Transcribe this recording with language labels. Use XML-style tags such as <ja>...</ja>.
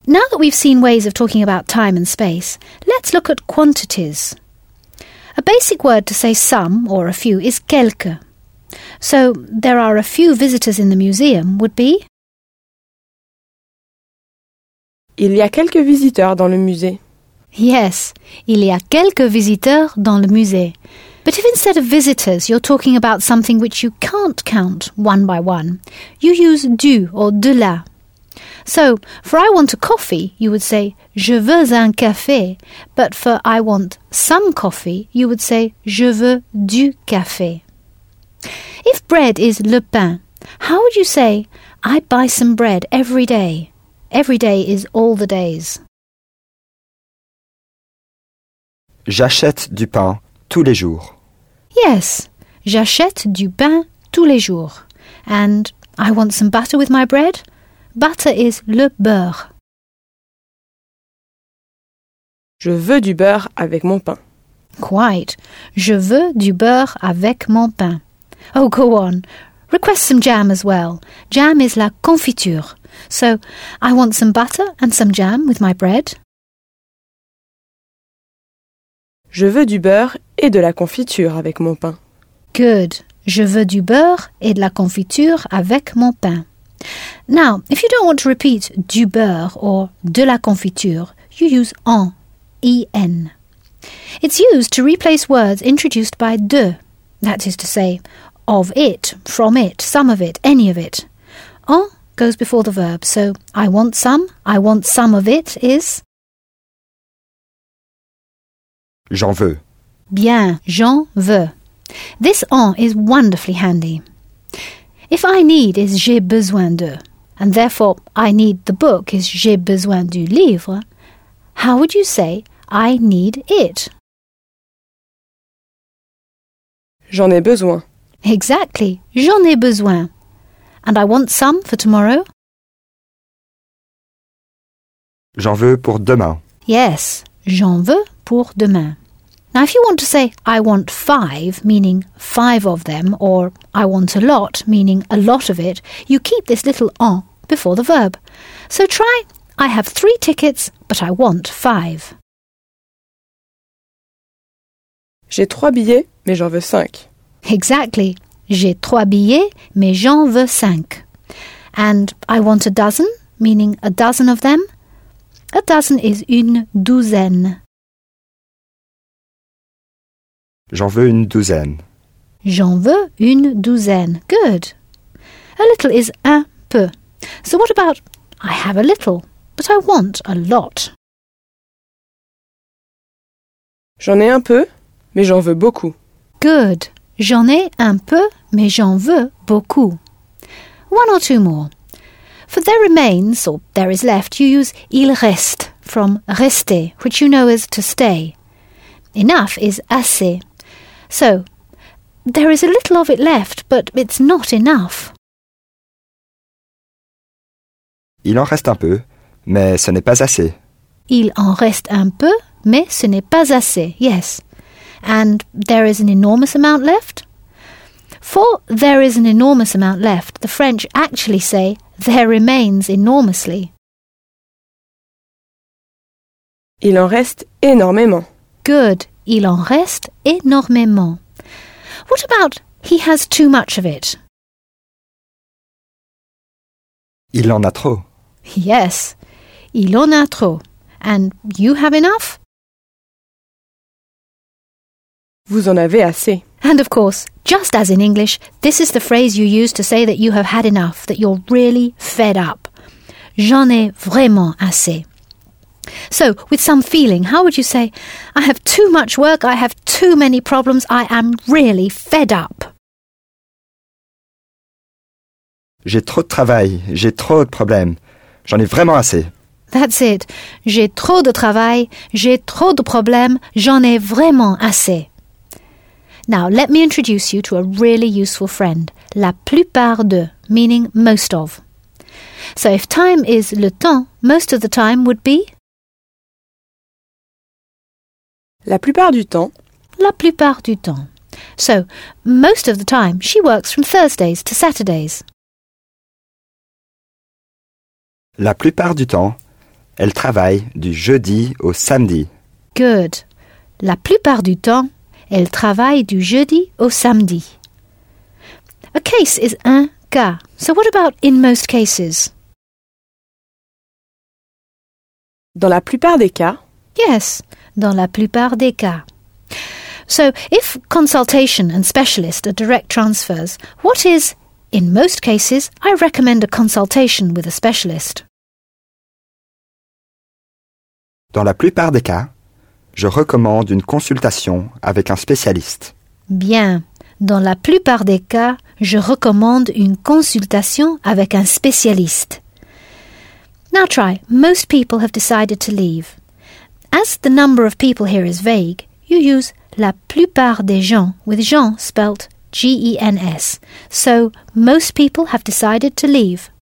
<en>Now that we've seen ways of talking about time and space, let's look at quantities. A basic word to say some or a few is quelque. So, there are a few visitors in the museum would be...</en> <fr>Il y a quelques visiteurs dans le musée. Yes, il y a quelques visiteurs dans le musée.</fr> <en>But if instead of visitors you're talking about something which you can't count one by one, you use du or de la. So, for I want a coffee, you would say</en> <fr>je veux un café.</fr> <en>But for I want some coffee, you would say</en> <fr>je veux du café.</fr> <en>If bread is le pain, how would you say I buy some bread every day? Every day is all the days.</en> <fr>J'achète du pain tous les jours. Yes, j'achète du pain tous les jours.</fr> <en>And I want some butter with my bread. Butter is le beurre.</en> <fr>Je veux du beurre avec mon pain.</fr> <en>Quite.</en> <fr>Je veux du beurre avec mon pain.</fr> <en>Oh, go on. Request some jam as well. Jam is la confiture. So, I want some butter and some jam with my bread.</en> <fr>Je veux du beurre et de la confiture avec mon pain.</fr> <en>Good.</en> <fr>Je veux du beurre et de la confiture avec mon pain.</fr> <en>Now, if you don't want to repeat du beurre or de la confiture, you use en, en. It's used to replace words introduced by de, that is to say, of it, from it, some of it, any of it. En goes before the verb, so I want some of it is...</en> <fr>J'en veux. Bien, j'en veux.</fr> <en>This en is wonderfully handy. If I need is</en> <fr>j'ai besoin de,</fr> <en>and therefore I need the book is</en> <fr>j'ai besoin du livre,</fr> <en>how would you say I need it?</en> <fr>J'en ai besoin. Exactly, j'en ai besoin.</fr> <en>And I want some for tomorrow.</en> <fr>J'en veux pour demain. Yes, j'en veux pour demain.</fr> <en>Now, if you want to say, I want five, meaning five of them, or I want a lot, meaning a lot of it, you keep this little en before the verb. So try, I have three tickets, but I want five.</en> <fr>J'ai trois billets, mais j'en veux cinq.</fr> <en>Exactly.</en> <fr>J'ai trois billets, mais j'en veux cinq.</fr> <en>And I want a dozen, meaning a dozen of them. A dozen is une douzaine.</en> <fr>J'en veux une douzaine. J'en veux une douzaine.</fr> <en>Good. A little is</en> <fr>un peu.</fr> <en>So what about I have a little, but I want a lot.</en> <fr>J'en ai un peu, mais j'en veux beaucoup.</fr> <en>Good.</en> <fr>J'en ai un peu, mais j'en veux beaucoup.</fr> <en>One or two more. For there remains, or there is left, you use</en> <fr>il reste</fr> <en>from rester, which you know is to stay. Enough is assez. So, there is a little of it left, but it's not enough.</en> <fr>Il en reste un peu, mais ce n'est pas assez. Il en reste un peu, mais ce n'est pas assez, yes.</fr> <en>And there is an enormous amount left? For there is an enormous amount left, the French actually say there remains enormously.</en> <fr>Il en reste énormément. Good. Il en reste énormément.</fr> <en>What about he has too much of it?</en> <fr>Il en a trop.</fr> <en>Yes,</en> <fr>il en a trop.</fr> <en>And you have enough?</en> <fr>Vous en avez assez.</fr> <en>And of course, just as in English, this is the phrase you use to say that you have had enough, that you're really fed up.</en> <fr>J'en ai vraiment assez.</fr> <en>So, with some feeling, how would you say, I have too much work, I have too many problems, I am really fed up.</en> <fr>J'ai trop de travail, j'ai trop de problèmes, j'en ai vraiment assez.</fr> <en>That's it.</en> <fr>J'ai trop de travail, j'ai trop de problèmes, j'en ai vraiment assez.</fr> <en>Now, let me introduce you to a really useful friend,</en> <fr>la plupart de,</fr> <en>meaning most of. So, if time is le temps, most of the time would be...</en> <fr>La plupart du temps. La plupart du temps.</fr> <en>So, most of the time, she works from Thursdays to Saturdays.</en> <fr>La plupart du temps, Elle travaille du jeudi au samedi.</fr> <en>Good.</en> <fr>La plupart du temps, elle travaille du jeudi au samedi.</fr> <en>A case is un cas. So what about in most cases?</en> <fr>Dans la plupart des cas. Yes, dans la plupart des cas.</fr> <en>So, if consultation and specialist are direct transfers, what is, in most cases, I recommend a consultation with a specialist?</en> <fr>Dans la plupart des cas, je recommande une consultation avec un spécialiste. Bien. Dans la plupart des cas, je recommande une consultation avec un spécialiste.</fr> <en>Now try. Most people have decided to leave. As the number of people here is vague, you use</en> <fr>la plupart des gens,</fr> <en>with gens spelt G-E-N-S. So, most people have decided to leave.</en>